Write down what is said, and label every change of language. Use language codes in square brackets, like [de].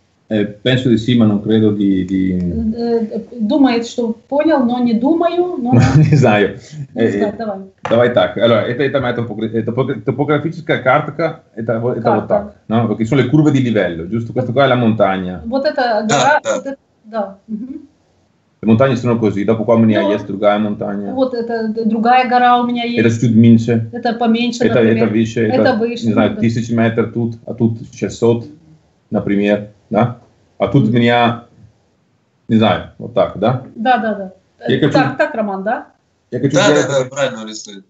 [it] Penso di sì, ma non credo di... [ru] Думает, что понял, но не думаю, но... Не знаю. Давай. Давай так. Allora, это топографическая карта, это вот так. [it] No? Okay, sono le curve di livello, giusto? Questo qua è la montagna. [ru] Вот это гора... Да. [it] Le montagne sono così, dopo qua [ru] у меня есть другая [it] montagna. [ru] Вот это другая гора у меня есть. Это чуть меньше. Это поменьше, например. Это выше. Это выше. Не знаю, 1000 метров тут, а тут 600. Например, да? А тут меня, не знаю, вот так, да? Да, да, да. Я хочу... Так, так, Роман, да? Я хочу... Да, правильно рисует.